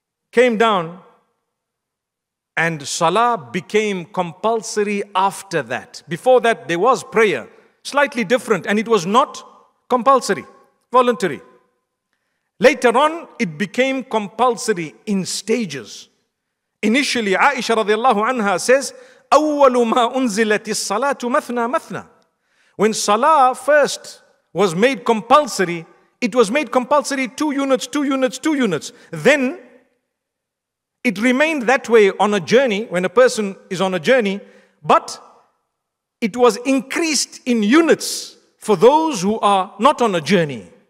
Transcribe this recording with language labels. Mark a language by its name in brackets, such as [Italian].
[English] Came down and Salah became compulsory after that. Before that, there was prayer, slightly different, and it was not compulsory, voluntary. Later on, it became compulsory in stages. Initially, Aisha radiallahu anha says, [Arabic] أول ما أنزلت الصلاة مثنى مثنى. [English] When Salah first was made compulsory, it was made compulsory two units, two units, two units. Then it remained that way on a journey, when a person is on a journey, but it was increased in units for those who are not on a journey.